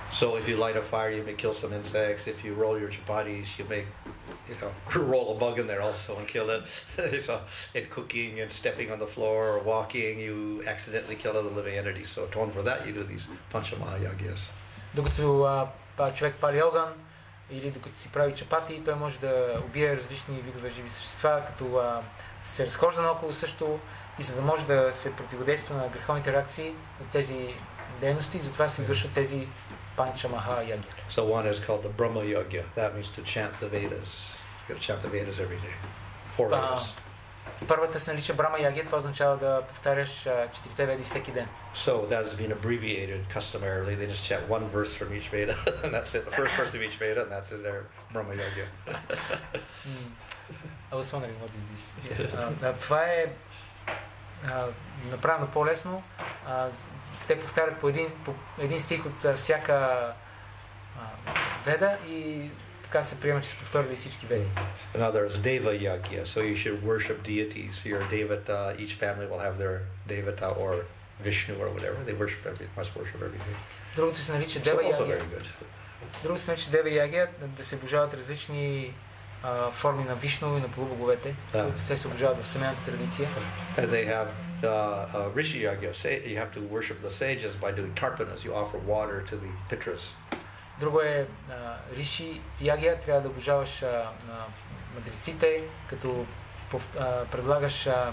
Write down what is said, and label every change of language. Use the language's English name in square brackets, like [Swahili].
[English] So if you light a fire, you may kill some insects. If you roll your chapatis, you may, you know, roll a bug in there also and kill it. So in cooking and stepping on the floor or walking, you accidentally kill other living entities. So atone for that, you do these panchamahayagyas. [Bulgarian] Докато човек пали огън, или докато си прави чапати, той може да убие различни видове живи същества, като се разхожда наоколо също и за да може да се противодейства на греховните реакции от тези дейности, затова се извършва тези панчамаха-йоги. [English] So one is called the Brahma-йоги. That means to chant the Vedas. You gotta chant the Vedas every day. Four Vedas. [Bulgarian] Първата се нарича Брама-йоги, това означава да повтаряш четирите веди всеки ден. [English] So that has been abbreviated customarily. They just chant one verse from each Veda, and that's it. The first verse of each Veda, and that's their Brama-йоги. I was wondering what is this. [Bulgarian] Това е направено по-лесно. Те повтарят по един стих от всяка Веда и така се приема, че са повторили всички веди. [English] Another is Deva Yagya, so you should worship deities. Your devata, each family will have their devata or Vishnu or whatever. They worship every, must worship every day. [Bulgarian] Другото се нарича Deva Yagya. [English] So also very good. [Bulgarian] Другото се нарича Deva Yagya, да се обожават различни форми на Вишну и на полубоговете, които се обожават в семейната традиция. [English] And they have Rishi Yagya. Say, you have to worship the sages by doing tarpanas. You offer water to the pitras. [Bulgarian] Друго е Риши Ягия, трябва да обожаваш мъдреците, като предлагаш